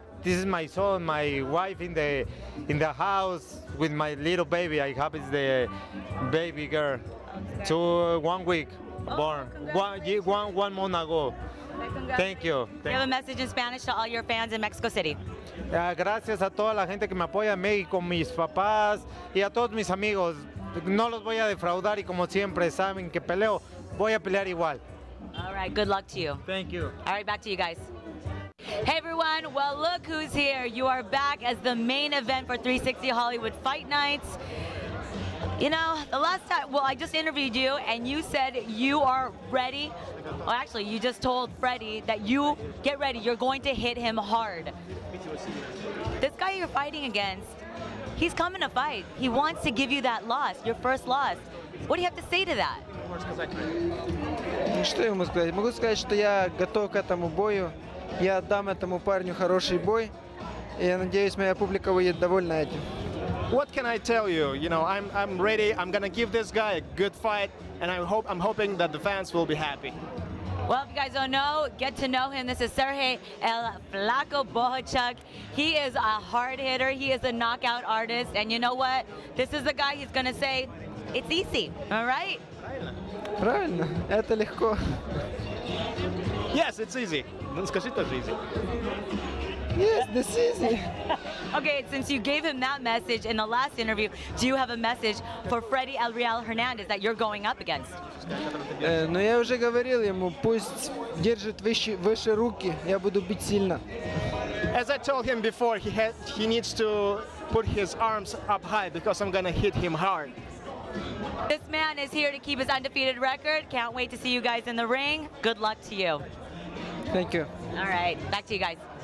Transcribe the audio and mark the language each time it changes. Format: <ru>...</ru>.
<en>This is my son, my wife in the house with my little baby. I hope it's the baby girl. Okay. To 1 week born. One month ago. Okay, thank you. You have a message in Spanish to all your fans in Mexico City.</en> <es>Gracias a toda la gente que me apoya en México, mis papás y a todos mis amigos. No los voy a defraudar y como siempre saben que peleo, voy a pelear igual.</es> <en>All right, good luck to you. Thank you. All right, back to you guys. Hey everyone, well look who's here. You are back as the main event for 360 Hollywood Fight Nights. You know, the last time, I just interviewed you and you said you are ready. Well, actually, you just told Freddie that you get ready. You're going to hit him hard. This guy you're fighting against, he's coming to fight. He wants to give you that loss, your first loss. What do you have to say to that?</en> <ru>Что я могу сказать? Могу сказать, что я готов к этому бою. Я отдам этому парню хороший бой. И я надеюсь, моя публика будет довольна этим.</ru> <en>What can I tell you? You know, I'm ready. I'm gonna give this guy a good fight, and I'm hoping that the fans will be happy. Well, if you guys don't know, get to know him. This is Sergey El Flaco Bohachuk. He is a hard hitter. He is a knockout artist. And you know what? This is the guy he's gonna say, it's easy. All right?</en> <ru>Правильно. Это легко. Yes, it's easy. Скажи тоже easy.</ru> <en>Yes, this is easy. Okay, since you gave him that message in the last interview, do you have a message for Freddy El Real Hernandez that you're going up against?</en> <ru>Ну я уже говорил ему, пусть держит выше руки, я буду бить сильно.</ru> <en>As I told him before, he needs to put his arms up high because I'm gonna hit him hard. This man is here to keep his undefeated record. Can't wait to see you guys in the ring. Good luck to you. Thank you. All right, back to you guys.</en>